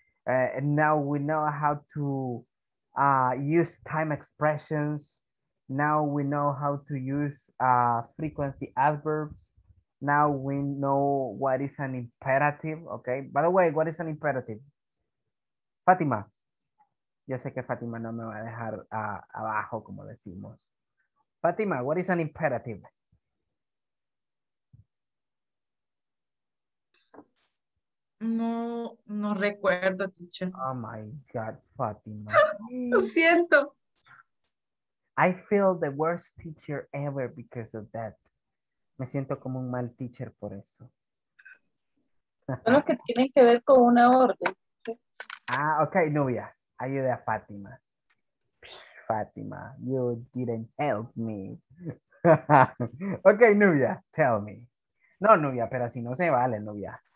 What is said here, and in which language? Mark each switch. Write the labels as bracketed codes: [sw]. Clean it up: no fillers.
[en] And now we know how to use time expressions. Now we know how to use frequency adverbs. Now we know what is an imperative, okay? By the way, what is an imperative? Fátima. [es] Yo sé que Fátima no me va a dejar abajo, como decimos. [en] Fátima, what is an imperative? [es] No recuerdo, teacher. [en] Oh my God, Fátima. [es] Lo siento. [en] I feel the worst teacher ever because of that. [es] Me siento como un mal teacher por eso. Son los que tienen que ver con una orden. [en] Ah, ok, Nubia. [es] Ayude a Fátima. [en] Fátima, you didn't help me. Okay, Nubia, tell me. [es] No, Nubia, pero si no se vale, Nubia.